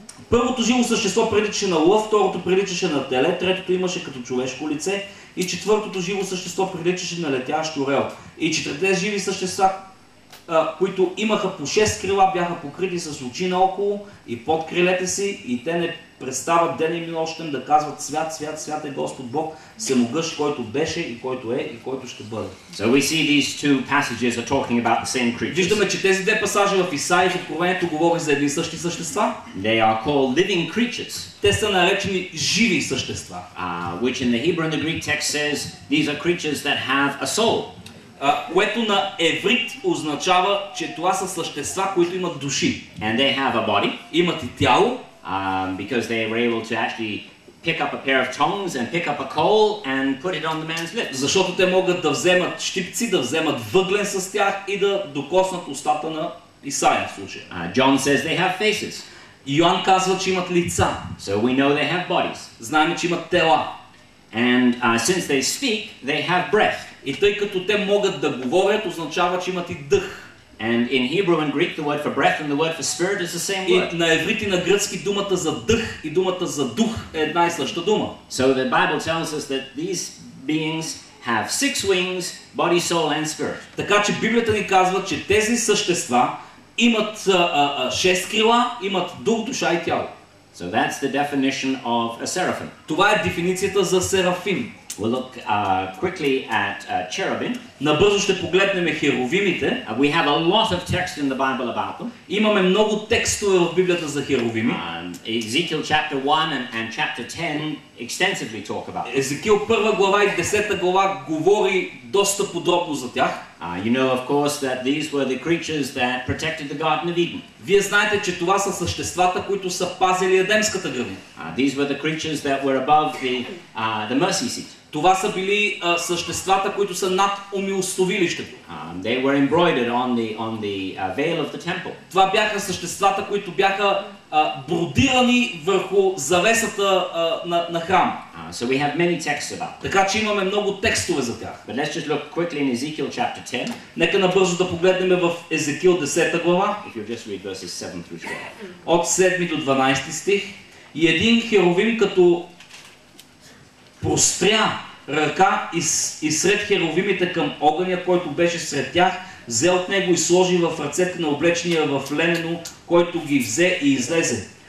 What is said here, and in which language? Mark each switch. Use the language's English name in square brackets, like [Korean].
[Bulgarian] Първото живо същество приличаше на лъв, второто приличаше на теле, третото имаше като човешко лице и четвъртото живо същество приличаше на летящ орел. И четирите живи същества които имаха по 6 крила, бяха покрити с очи наоколо и под крилете си, и те не престават ден и нощем да казват: свят, свят, свят е Господ Бог, всемогъщ, който беше и който е и който ще бъде. [English] So we see these two passages are talking about the same creatures. [Bulgarian] Виждаме, че тези две пасажи в Исаия и в Откровението говорят за едни и същи същества. [English] They are called living creatures. [Bulgarian] Те са наречени живи същества. [English] Which in the Hebrew and the Greek text says these are creatures that have a soul. [Bulgarian] Което на еврит означава, че това са същества, които имат души. [English] And they have a body. [Bulgarian] Имат и тяло. [English] Because they were able to actually pick up a pair of tongs and pick up a coal and put it on the man's lips. [Bulgarian] Защото те могат да вземат щипци, да вземат въглен с тях и да докоснат устата на Исаия в случая. [English] John says they have faces. [Bulgarian] Йоан казва, че имат лица. [English] So we know they have bodies. [Bulgarian] Знаем, че имат тела. [English] And since they speak, they have breath. [Bulgarian] И тъй като те могат да говорят, означава, че имат и дъх. [English] And in Hebrew and Greek the word for breath and the word for spirit is the same word. [Bulgarian] На еврит и на гръцки думата за дъх и думата за дух е една и съща дума. [English] So the Bible tells us that these beings have six wings, body, soul and spirit. [Bulgarian] Така че Библията ни казва, че тези същества имат шест крила, имат дух, душа и тяло. [English] So that's the definition of a seraphim. [Bulgarian] Това е дефиницията за серафим. [English] We'll look quickly at cherubim. [Bulgarian] Набързо ще погледнем херовимите. [English] We have a lot of text in the Bible about them. [Bulgarian] Имаме много текстове в Библията за херовими. [English] Ezekiel chapter 1 and chapter 10 extensively talk about them. [Bulgarian] Езекиил 1 глава и 10 глава говори доста подробно за тях. [English] You know of course that these were the creatures that protected the Garden of Eden. [Bulgarian] Вие знаете, че това са съществата, които са пазили Едемската градина. [English] These were the creatures that were above the mercy seat. [Bulgarian] Това са били съществата, които са над умилостовилището. [English] They were embroidered on the veil of the temple. [Bulgarian] Това бяха съществата, които бяха бродирани върху завесата на храм. [English] So we have many texts about them. [Bulgarian] Така че имаме много текстове за тях. [English] But let's just look quickly in Ezekiel chapter 10. [Bulgarian] Нека набързо да погледнем в Езекиил 10 глава. [English] If you'll just read verses 7 through 12. [Bulgarian] От 7 до 12 стих. И един херовим като простря ръка и сред херовимите към огъня, който беше сред тях, взе от него и сложи в ръцете на облечения в ленено, който ги взе и излезе.